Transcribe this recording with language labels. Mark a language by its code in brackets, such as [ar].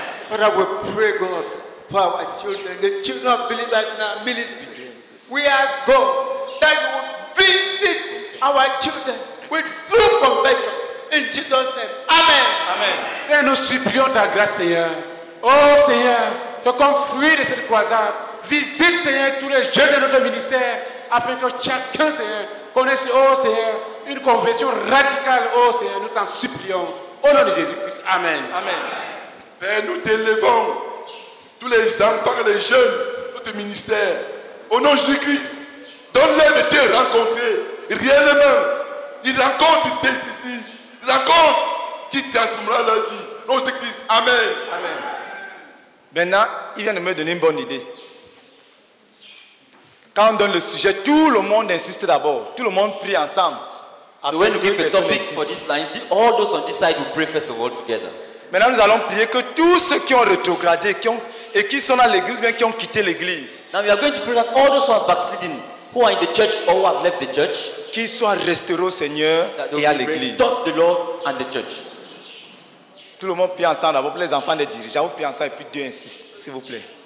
[en] But I will pray, God, for our children, the children of believers in our ministry. We ask God that you would visit our children with true compassion. In Jesus' name. Amen. Amen. [fr] Frère, nous supplions ta grâce, Seigneur. Oh Seigneur, que comme fruit de cette croisade, visite, Seigneur, tous les jeunes de notre ministère, afin que chacun, Seigneur, connaisse, oh Seigneur, une conversion radicale. Oh Seigneur, nous t'en supplions. Au nom de Jésus-Christ. Amen. Amen. Père, nous t'élevons tous les enfants et les jeunes, de ministère. Au nom de Jésus-Christ, donne-leur de te rencontrer réellement. Il rencontre tes destinées. Il rencontre qui transformera leur vie. Au nom de Christ. Amen. Amen. Maintenant, il vient de me donner une bonne idée. Quand on donne le sujet, tout le monde insiste d'abord. Tout le monde prie ensemble. [en] So when you give a topic for this line, all those on this side will pray first of all together. [fr] Maintenant, nous allons prier que tous ceux qui ont rétrogradé et qui sont dans l'église, bien qui ont quitté l'église. [en] Now we are going to pray that all those who are backslidden, who are in the church or who have left the church, [fr] qu'ils soient restaurés au Seigneur et à l'église. [en] Restore the Lord and the church. [fr] Tout le monde prie ensemble, d'abord les enfants des dirigeants, vous priez ensemble et puis Dieu insiste, s'il vous plaît.